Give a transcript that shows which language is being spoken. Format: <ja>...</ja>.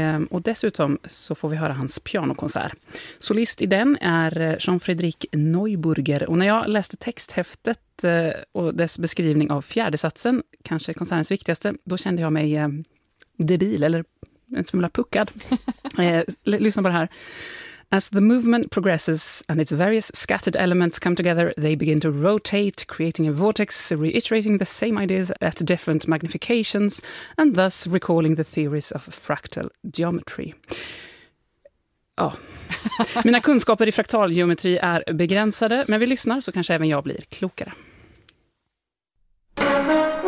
<sv>Och dessutom så får vi höra hans pianokonsert. Solist i den är Jean-Frédéric Neuburger. Och när jag läste texthäftet och dess beskrivning av fjärde satsen, kanske konsernens viktigaste, då kände jag mig debil eller en smula puckad. Lyssna på det här.</sv> <en>As the movement progresses and its various scattered elements come together, they begin to rotate, creating a vortex, reiterating the same ideas at different magnifications and thus recalling the theories of fractal geometry.</en> <sv>Ja, mina kunskaper i fraktalgeometri är begränsade, men vi lyssnar så kanske även jag blir klokare.</sv> <en>Thank you.</en>